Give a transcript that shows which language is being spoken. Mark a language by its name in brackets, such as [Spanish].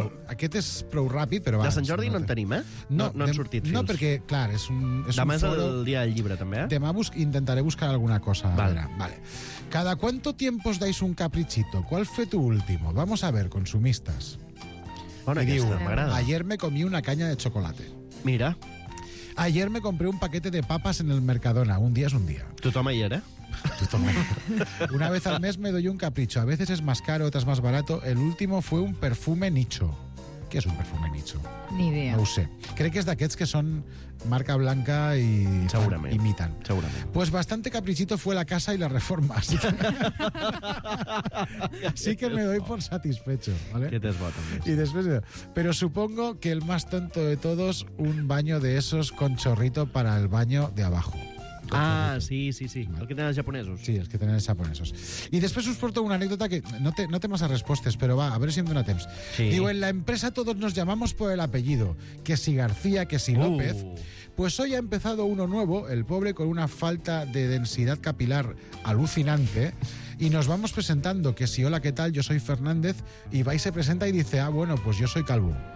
[Catalan] Aquest és prou ràpid, però... De Sant Jordi no en tenim, eh? No han sortit fils. No, perquè, clar, és un... És demà un foro. És el dia del llibre, també, eh? Demà intentaré buscar alguna cosa. Vale. A veure, vale. [Spanish] ¿Cada cuánto tiempo os dais un caprichito? ¿Cuál fue tu último? Vamos a ver, consumistas. [Catalan] Bona, i aquesta, m'agrada. [Spanish] Ayer me comí una caña de chocolate. [Catalan] Mira. [Spanish] Ayer me compré un paquete de papas en el Mercadona. Un día es un día. [Catalan] Tothom [Spanish] ayer, [Catalan] eh? [Spanish] Una vez al mes me doy un capricho. A veces es más caro, otras más barato. El último fue un perfume nicho. ¿Qué es un perfume nicho? Ni idea. [Catalan] No ho sé. Crec que és d'aquests que són marca blanca i segurament imiten. Segurament. [Spanish] Pues bastante caprichito fue la casa y la reforma. Así que me doy por satisfecho. ¿Vale? [Catalan] Que t'es bo, també. [Spanish] Y después, pero supongo que el más tonto de todos, un baño de esos con chorrito para el baño de abajo. [Catalan] Ah, sí, sí, sí. El que tenen els japonesos. Sí, els que tenen els japonesos. I després us porto una anècdota que no té massa respostes, però va, a veure si em dona temps. Sí. Diu, [Spanish] en la empresa todos nos llamamos por el apellido, que si García, que si López. Pues hoy ha empezado uno nuevo, el pobre, con una falta de densidad capilar alucinante, y nos vamos presentando, que si hola, ¿qué tal? Yo soy Fernández, y va y se presenta y dice, ah, bueno, pues yo soy calvo.